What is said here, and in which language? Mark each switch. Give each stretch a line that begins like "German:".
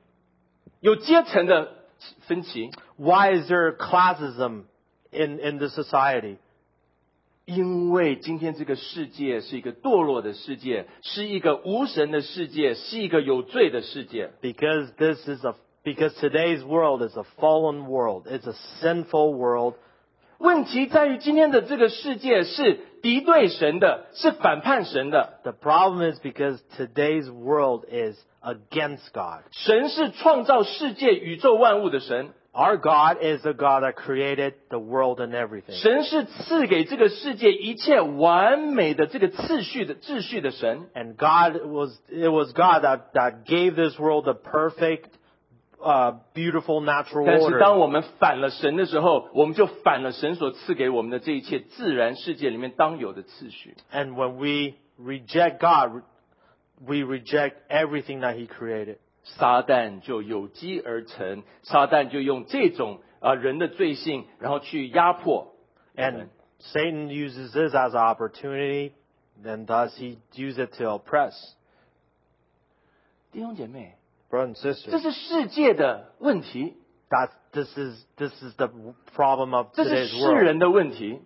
Chinese: 为什么在这个世界上面,在我们的社会上面,有阶层的分歧?
English: Why is there classism? In the society.
Chinese: 因为今天这个世界是一个堕落的世界,是一个无神的世界,是一个有罪的世界。
English: Because today's world is a fallen world. It's a sinful world.
Chinese: 问题在于今天的这个世界是敌对神的，是反叛神的。
English: The problem is because today's world is against God.
Chinese: 神是创造世界宇宙万物的神。
English: Our God is the God that created the world and everything.
Chinese: 神是赐给这个世界一切完美的这个次序的秩序的神。
English: And God was, it was God that gave this world the perfect, beautiful natural order.
Chinese: 但是当我们反了神的时候，我们就反了神所赐给我们的这一切自然世界里面当有的次序。
English: And when we reject God, we reject everything that He created.
Chinese: 撒旦就有机而成，撒旦就用这种人的罪性，然后去压迫。
English: And Satan uses this as an opportunity, then thus he uses it to oppress.
Chinese: 弟兄姐妹
English: ，Brothers and sisters,
Chinese: 这是世界的问题。
English: This is the problem of today's world.
Chinese: 这是世人的问题。